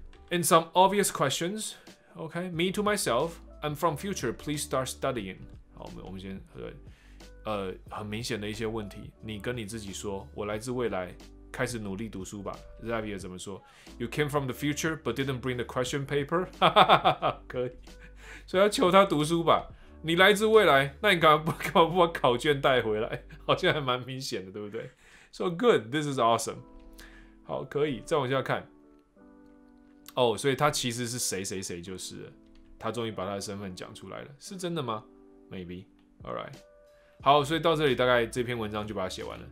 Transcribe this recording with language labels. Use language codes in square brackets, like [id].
[en] And some obvious questions, okay? Me to myself, I'm from future. Please start studying. [zh] 好，我们先对，很明显的一些问题。你跟你自己说，我来自未来，开始努力读书吧。 Xavier 怎么说 [en] ？You came from the future, but didn't bring the question paper. [zh] 可以，所以要求他读书吧。你来自未来，那你干嘛不把考卷带回来？好像还蛮明显的，对不对 ？ [en] So good, this is awesome. [zh] 好，可以，再往下看。哦，所以他其实是谁谁谁就是了，他终于把他的身份讲出来了，是真的吗 ？ [en] Maybe， all right， [zh] 好，所以到这里大概这篇文章就把它写完了。